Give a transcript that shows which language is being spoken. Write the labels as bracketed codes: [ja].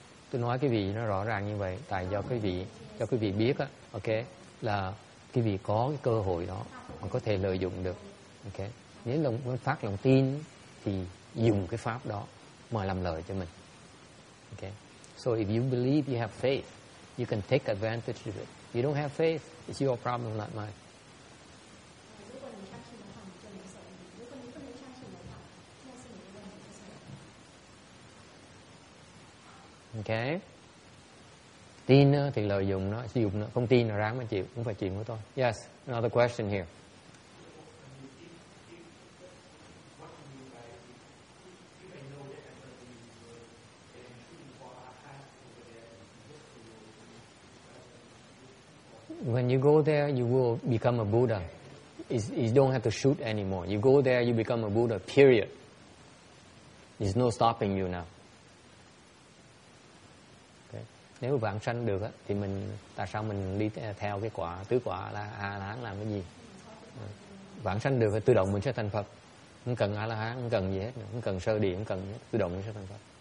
[vi] Tôi nói cái vị nó rõ ràng như vậy, tại do quý vị biết á, okay, là quý vị có cái cơ hội đó mà có thể lợi dụng được. Okay, nếu lòng phát lòng tin thì dùng cái pháp đó mà làm lợi cho mình. [en] Okay. So if you believe you have faith, you can take advantage of it. You don't have faith, it's your problem, not mine. Okay. [vi] Tin thì lợi dụng nó, sử dụng nó. Không tin là ráng mà chịu, cũng phải chịu của tôi. [en] Yes, another question here. When you go there, you will become a Buddha. You don't have to shoot anymore. You go there, you become a Buddha, period. There's no stopping you now. Okay. [vi] Nếu vãng sanh được thì mình tại sao mình đi theo cái quả tứ quả là A La Hán làm cái gì? Vãng sanh được thì tự động mình sẽ thành Phật. Không cần A La Hán, không cần gì hết, không cần sơ địa, không cần gì hết, tự động mình sẽ thành Phật.